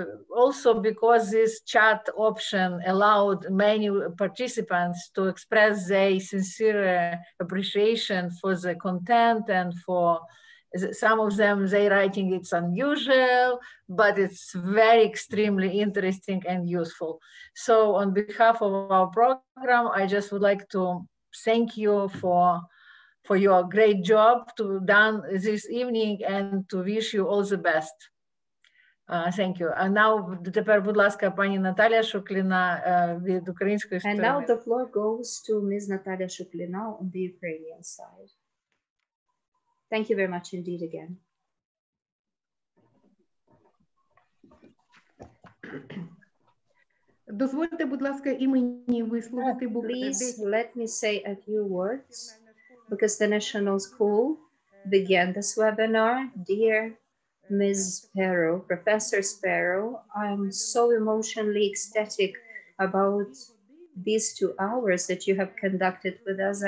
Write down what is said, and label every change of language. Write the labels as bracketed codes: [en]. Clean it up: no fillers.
[en] Also, because this chat option allowed many participants to express their sincere appreciation for the content and for some of them, they writing it's unusual, but it's very extremely interesting and useful. So on behalf of our program, I just would like to thank you for your great job to done this evening and to wish you all the best. Thank you. And now, [uk] тепер, будь ласка, пані Наталія Шукліна від української сторони. [en] And now the floor goes to Ms. Natalia Shuklina on the Ukrainian side. Thank you very much indeed again. [uk] Дозвольте, будь ласка, і мені висловити благодарність. [en] Please let me say a few words, because the National School began this webinar. Dear Ms. Sparrow, Professor Sparrow, I'm so emotionally ecstatic about these 2 hours that you have conducted with us.